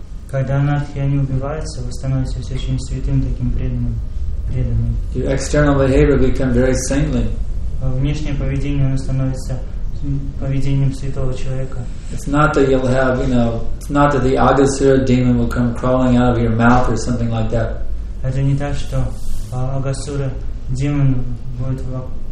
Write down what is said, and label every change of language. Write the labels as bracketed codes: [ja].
[ru] Когда анархи они убиваются, вы становитесь очень святым таким преданным. [en] Your external behavior become very saintly. [ru] Внешнее поведение оно становится поведением святого человека. [en] It's not that you'll have, you know, it's not that the Agasura demon will come crawling out of your mouth or something like that. [ru] Это не так, что Агасура демон будет в.